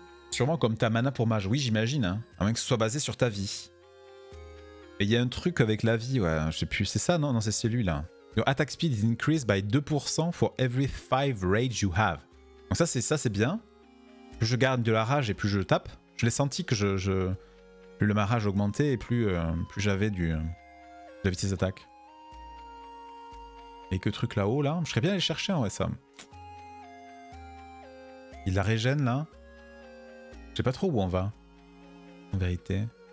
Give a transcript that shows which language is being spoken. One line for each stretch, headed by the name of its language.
French: Sûrement comme ta mana pour mage, oui j'imagine, hein. À moins que ce soit basé sur ta vie. Et il y a un truc avec la vie, ouais, je sais plus, c'est ça non? Non c'est celui-là.
English: Your attack speed is increased by 2% for every 5 rage you have.
French: Donc ça c'est bien. Plus je garde de la rage et plus je tape. Je l'ai senti que je plus le marrage augmentait et plus j'avais de vitesse d'attaque. Et que truc là-haut là? Je serais bien allé chercher en vrai ça. Il la régène là. Je sais pas trop où on va, en vérité.